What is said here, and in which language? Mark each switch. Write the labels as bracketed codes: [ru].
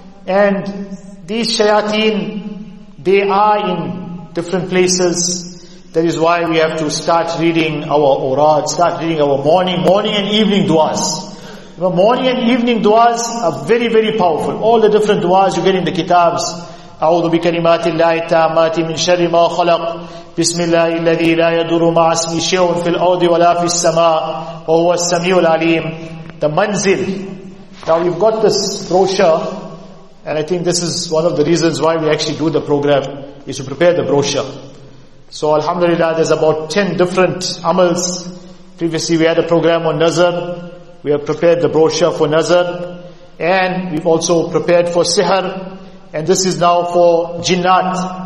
[en] And these shayateen, they are in different places. That is why we have to start reading our urad, start reading our morning and evening duas. The morning and evening duas are very, very powerful. All the different duas you get in the kitabs. [ar] أعوذ بكلمات الله التامات من شر ما خلق بسم الله الذي لا يدور مع اسمه شيء في الأرض ولا في السماء وهو السميع العليم. [en] The manzil. Now we've got this brochure, and I think this is one of the reasons why we actually do the program, is to prepare the brochure. So alhamdulillah, there's about 10 different amals. Previously we had a program on nazar. We have prepared the brochure for nazar, and we've also prepared for sihar, and this is now for jinnat.